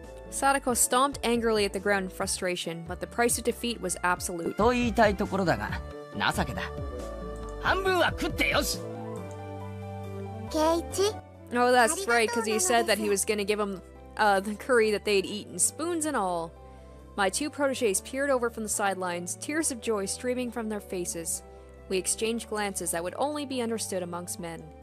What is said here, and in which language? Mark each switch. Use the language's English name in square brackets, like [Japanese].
[English] Sadako stomped angrily at the ground in frustration, but the price of defeat was absolute. [Japanese] と言いたいところだが、情けだ。半分は食ってよし。ケイチ。 [English] Oh, that's right, because he said that he was going to give them the curry that they'd eaten, spoons and all. My two protégés peered over from the sidelines, tears of joy streaming from their faces. We exchanged glances that would only be understood amongst men.